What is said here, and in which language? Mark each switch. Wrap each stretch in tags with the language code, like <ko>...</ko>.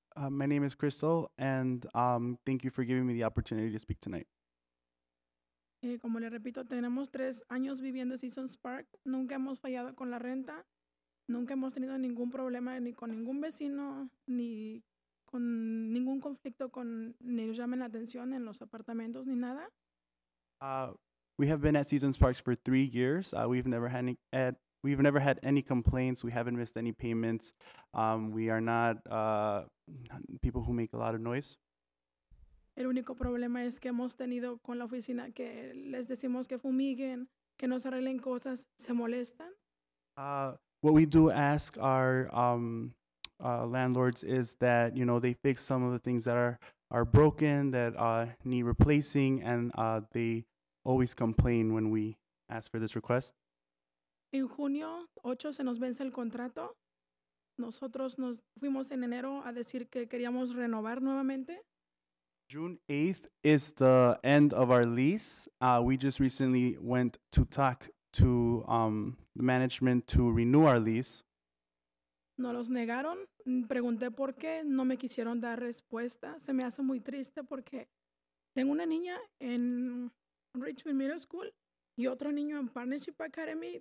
<en>My name is Crystal, and thank you for giving me the opportunity to speak tonight.</en> <es>Como le repito, tenemos 3 años viviendo Seasons Park. Nunca hemos fallado con la renta. Nunca hemos tenido ningún problema ni con ningún vecino, ni con ningún conflicto con ni nos llamen la atención en los apartamentos, ni nada.</es> <en>We have been at Seasons Parks for 3 years. We've never had any complaints. We haven't missed any payments. We are not people who make a lot of noise.</en> <es>El único problema es que hemos tenido con la oficina que les decimos que fumiguen, que nos arreglen cosas, se molestan.</es> <en>What we do ask our landlords is that, you know, they fix some of the things that are broken, that need replacing, and they always complain when we ask for this request.</en> <es>En junio 8 se nos vence el contrato. Nosotros nos fuimos en enero a decir que queríamos renovar nuevamente.</es> <en>June 8th is the end of our lease. We just recently went to talk to the management to renew our lease.</en> <es>No los negaron. Pregunté por qué. No me quisieron dar respuesta. Se me hace muy triste porque tengo una niña en Richfield Middle School y otro niño en Partnership Academy.</es>